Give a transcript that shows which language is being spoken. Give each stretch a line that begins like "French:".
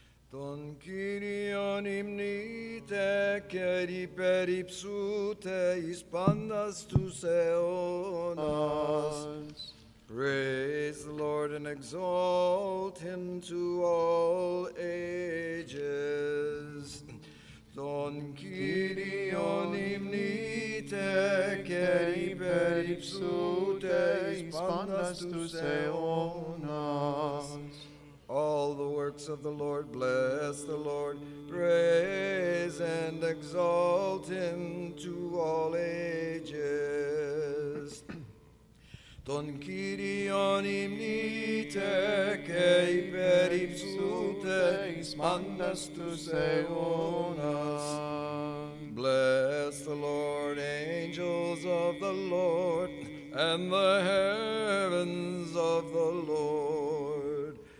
Greek: Τον Κύριον υμνείτε και ρυπερυψούτε εις πάντας τους αιώνας.
English: Praise the Lord and exalt him to all ages.
Greek: Τον Κύριον υμνείτε και ρυπερυψούτε εις πάντας τους αιώνας.
English: All the works of the Lord, bless the Lord, praise and exalt him to all ages.
Greek: Τον Κύριον υμνείτε και υπερυψούτε εις πάντας τους αιώνας.
English: Bless the Lord, angels of the Lord, and the heavens of the Lord.